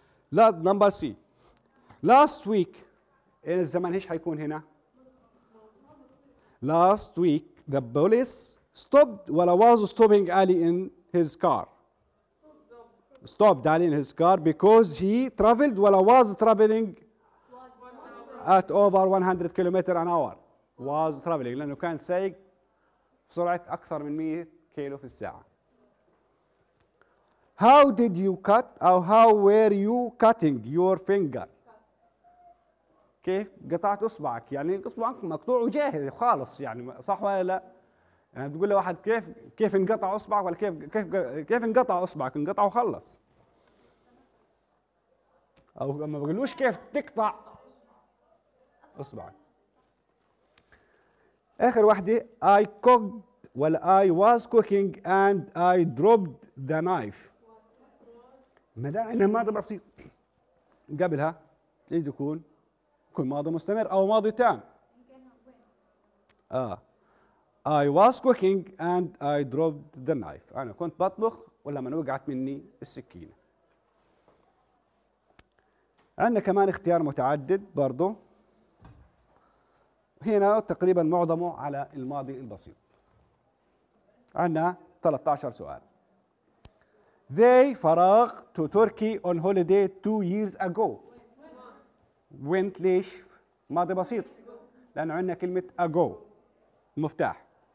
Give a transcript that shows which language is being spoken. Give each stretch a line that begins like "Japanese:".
English: Last number C. Last week
Arabic: ايه الزمن ايش حيكون هنا؟
English: Last week the police stopped ولا was stopping Ali in his car. Stopped Ali in his car because he traveled ولا was traveling at over 100 kilometer an hour. Was traveling
Arabic: لأنه كان سايق بسرعة أكثر من 100 كيلو في الساعة.
English: How did you cut or how were you cutting your finger?
Arabic: كيف قطعت إصبعك؟ يعني إصبعك مقطوع وجاهز خالص يعني صح ولا لا؟ يعني بتقول لواحد كيف انقطع اصبعك ولا كيف انقطع اصبعك؟ انقطع وخلص. او ما بقولوش كيف تقطع اصبعك. اخر واحدة
English: I cooked ولا I was cooking and I dropped the knife.
Arabic: مدعنا ماضي بسيط قبلها ايش تكون؟ يكون ماضي مستمر او ماضي تام.
English: I was cooking and I dropped the knife.
Arabic: أنا كنت بطبخ ولما وقعت مني السكينة. عندنا كمان اختيار متعدد برضو. هنا تقريبا معظمه على الماضي البسيط. عندنا 13 سؤال.
English: They فراغ to Turkey on holiday 2 years ago.
Arabic: Went ليش؟ ماضي بسيط. لأن عندنا كلمة ago مفتاح.